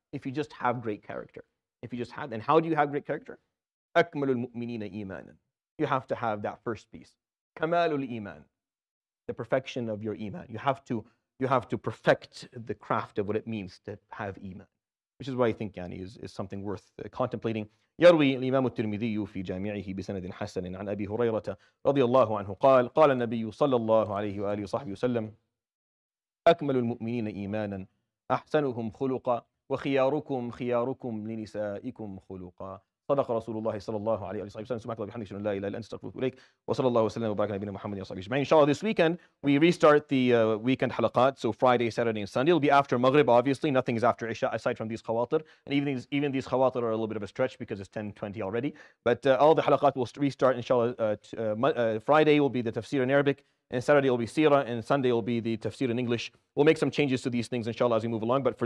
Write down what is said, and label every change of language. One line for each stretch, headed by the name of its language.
English: If you just have great character. If you just have, then how do you have great character?
Arabic: أَكْمَلُ الْمُؤْمِنِينَ إِيمَانًا.
English: You have to have that first piece.
Arabic: كَمَالُ الْإِيمَانِ.
English: The perfection of your iman. You have to perfect the craft of what it means to have iman. Which is why I think is something worth contemplating.
Arabic: يروي الإمام الترمذي في جامعه بسند حسن عن أبي هريرة رضي الله عنه قال قال النبي صلى الله عليه وآله وصحبه وسلم أكمل المؤمنين إيمانا أحسنهم خلقا وخياركم خياركم لنسائكم خلقا صدق رسول الله صلى الله عليه وآله وسلم سبحانك اللهم وبحمدك اشهد ان لا اله الا انت استغفرك واتوب اليك وصلى الله وسلم وبارك على نبينا محمد وصحبه اجمعين.
English: Inshallah, this weekend we restart the weekend halaqat, so Friday, Saturday and Sunday. It'll be after Maghrib, obviously. Nothing is after Isha aside from these khawatir, and even these khawatir are a little bit of a stretch because it's 10:20 already, but all the halaqat will restart inshallah. Friday will be the tafsir in Arabic, and Saturday will be Sirah, and Sunday will be the tafsir in English. We'll make some changes to these things inshallah as we move along, but for